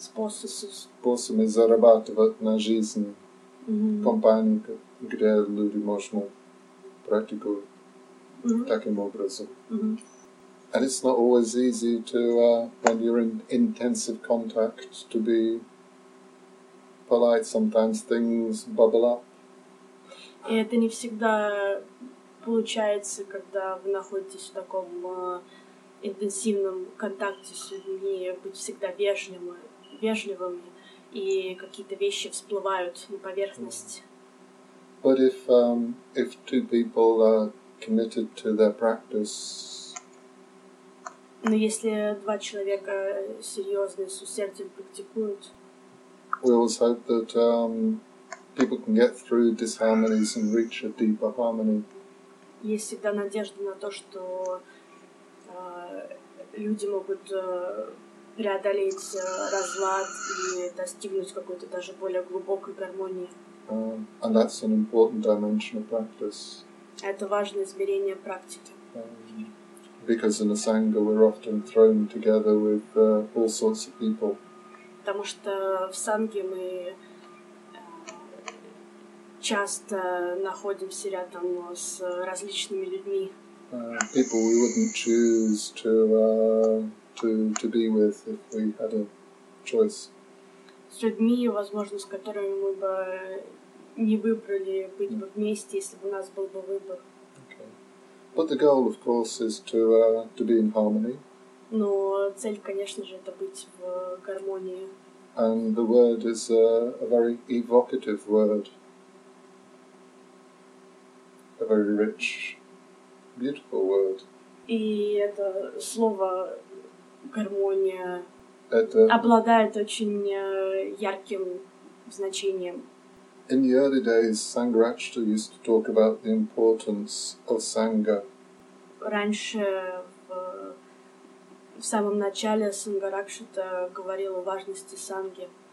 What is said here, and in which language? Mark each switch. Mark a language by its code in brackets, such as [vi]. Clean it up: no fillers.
[ru] Способами зарабатывать на жизнь. Mm-hmm. Компании, где люди можно практиковать таким образом. Mm-hmm. [en] And it's not always easy to, when you're in intensive contact, to be polite. Sometimes things bubble up. [ru] И это не всегда получается, когда вы находитесь в таком интенсивном контакте с людьми, быть всегда вежливым, и какие-то вещи всплывают на поверхность. [en] But if two people are committed to their practice. [ru] Но если два человека серьезно и с усердием практикуют, [en] we always hope that people can get through disharmonies and reach a deeper harmony. [ru] Есть всегда надежда на то, что люди могут преодолеть разлад и достигнуть какой-то даже более глубокой гармонии. [en] And that's an important dimension of practice. [ru] Это важное измерение практики. [en] Because in a sangha we're often thrown together with all sorts of people. [ru] Потому что в санге мы часто находимся рядом с различными людьми. [en] People we wouldn't choose to be with if we had a choice. [ru] С людьми, возможно, с которыми мы бы не выбрали быть бы вместе, если бы у нас был бы выбор. [en] But the goal, of course, is to be in harmony. [ru] Но цель, конечно же, это быть в гармонии. [en] And the word is a very evocative word, a very rich, beautiful word. [ru] И это слово гармония обладает очень ярким значением. [en] In the early days, Sangharakshita used to talk about the importance of sangha. [ru] Раньше, в самом начале, Сангаракшита говорил о важности санги.